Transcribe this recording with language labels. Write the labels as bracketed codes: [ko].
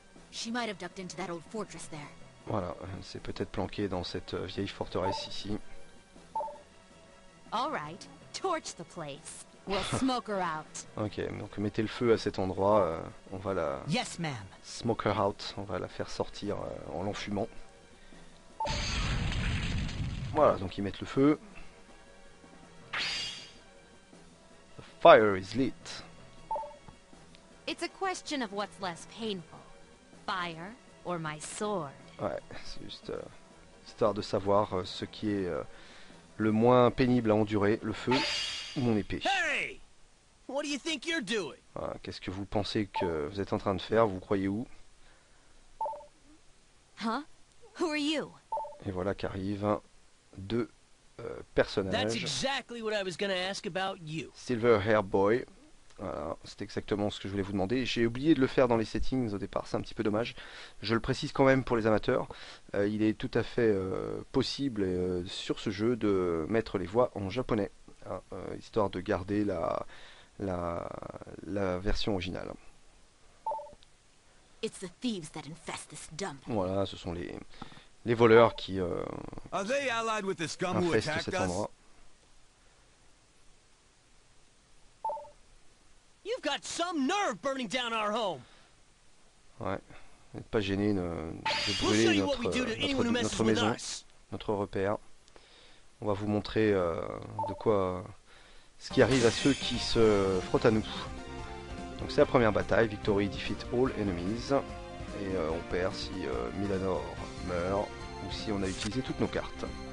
[en] She might have ducked into that old fortress there. [fr] Voilà, c'est peut-être planqué dans cette vieille forteresse ici. [en] All right, torch the place. We'll smoke her out. [fr] Ok, donc mettez le feu à cet endroit, on va la... [en] Yes, ma'am. Smoke her out, [fr] on va la faire sortir en l'enfumant. Voilà, donc ils mettent le feu. [en] The fire is lit. It's a question of what's less painful, fire or my sword. [fr] Ouais, c'est juste histoire de savoir ce qui est le moins pénible à endurer, le feu. Mon épée. [en] Hey, what do you think you're doing? [fr] Voilà, qu'est-ce que vous pensez que vous êtes en train de faire? Vous croyez où? [en] Huh? Who are you? [fr] Et voilà qu'arrivent deux personnages. [en] That's exactly what I was gonna ask about you. Silver Hair Boy. [fr] Voilà, c'est exactement ce que je voulais vous demander. J'ai oublié de le faire dans les settings au départ, c'est un petit peu dommage. Je le précise quand même pour les amateurs. Il est tout à fait possible sur ce jeu de mettre les voix en japonais. Ah, histoire de garder la version originale. [en] It's the thieves that infest this dump. [fr] Voilà, ce sont les voleurs qui infestent cet endroit. [en] You've got some nerve burning down our home. [fr] Ouais, n'êtes pas gêné de brûler notre maison, notre repère. On va vous montrer de quoi ce qui arrive à ceux qui se frottent à nous. Donc c'est la première bataille, [en] victory defeat all enemies. [fr] Et on perd si Milanor meurt ou si on a utilisé toutes nos cartes.